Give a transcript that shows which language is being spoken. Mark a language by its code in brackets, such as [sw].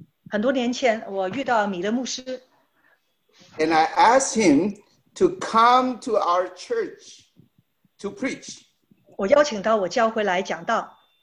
[zh] 很多年前,我遇到米勒牧师。 [en] And I asked him to come to our church to preach. [zh] 我邀请到我教会来讲道。